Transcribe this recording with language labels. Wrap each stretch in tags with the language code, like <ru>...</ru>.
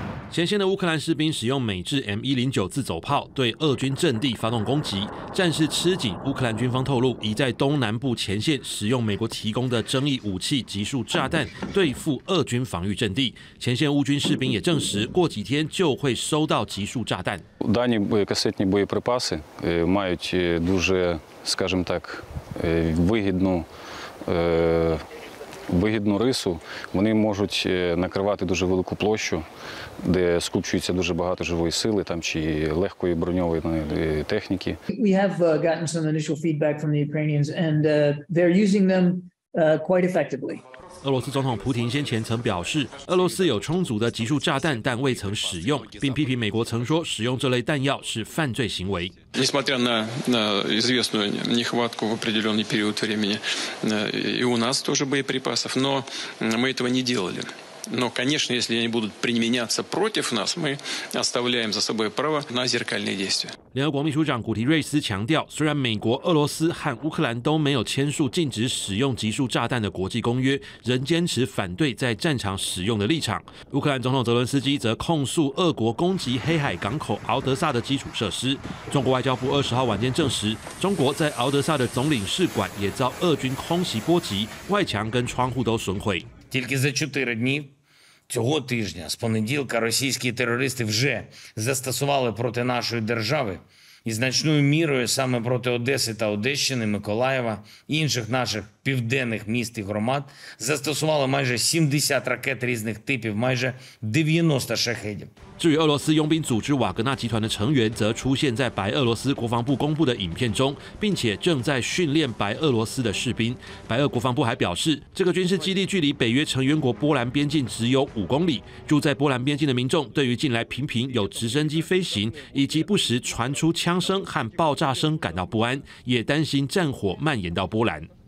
<zh>前线的乌克兰士兵使用美制 M109 自走炮对俄军阵地发动攻击，战事吃紧。乌克兰军方透露，已在东南部前线使用美国提供的争议武器极速炸弹对付俄军防御阵地。前线乌军士兵也证实，过几天就会收到极速炸弹。</zh> <uk>Дані касетні боєприпаси мають дуже, скажімо так, вигідну рису. Вони можуть накривати дуже велику площу, де скупчується дуже багато живої сили, там чи легкої броньованої техніки.</uk> <en>We have gotten some initial feedback from the Ukrainians, and they're using them quite effectively.</en> <zh>俄罗斯总统普廷先前曾表示，俄罗斯有充足的极速炸弹，但未曾使用，并批评美国曾说使用这类弹药是犯罪行为。</zh> <ru>Несмотря на известную нехватку в определенный период времени и у нас тоже боеприпасов, но мы этого не делали. Но, конечно, если они будут применяться против нас, мы оставляем за собой право на зеркальные действия.</ru> <zh>联合国秘书长古提瑞斯强调，虽然美国、俄罗斯和乌克兰都没有签署禁止使用极速炸弹的国际公约，仍坚持反对在战场使用的立场。乌克兰总统泽伦斯基则控诉俄国攻击黑海港口敖德萨的基础设施。中国外交部二十号晚间证实，中国在敖德萨的总领事馆也遭俄军空袭波及，外墙跟窗户都损毁。</zh> <uk>Тільки за 4 дні цього тижня, з понеділка, російські терористи вже застосували проти нашої держави і значною мірою саме проти Одеси та Одещини, Миколаєва, інших наших південних міст і громад, застосували майже 70 ракет різних типів, майже 90 шахедів.</uk> <zh>至于俄罗斯佣兵组织瓦格纳集团的成员，则出现在白俄罗斯国防部公布的影片中，并且正在训练白俄罗斯的士兵。白俄国防部还表示，这个军事基地距离北约成员国波兰边境只有5公里。住在波兰边境的民众对于近来频频有直升机飞行以及不时传出枪声和爆炸声感到不安，也担心战火蔓延到波兰。</zh>